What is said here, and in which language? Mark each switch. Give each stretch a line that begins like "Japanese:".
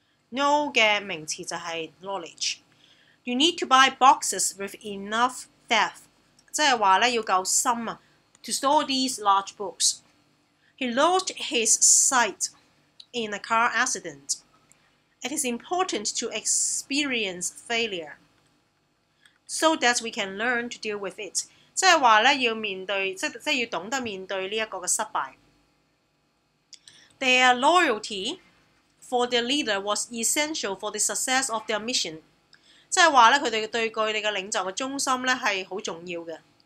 English: Know
Cantonese: 嘅名詞就係
English: knowledge. You need to buy boxes with enough depth，
Cantonese: 即係話咧要夠深啊
English: ，to store these large books. He lost his sight in a car accident. It is important to experience failure so that we can learn to deal with it.
Cantonese: 即係話咧要面對，即係要懂得面對呢一個嘅失敗。
English: Their loyalty for their leader was essential for the success of their mission.
Cantonese: 即係話咧，佢哋對佢哋嘅領袖嘅忠心咧係好重要嘅。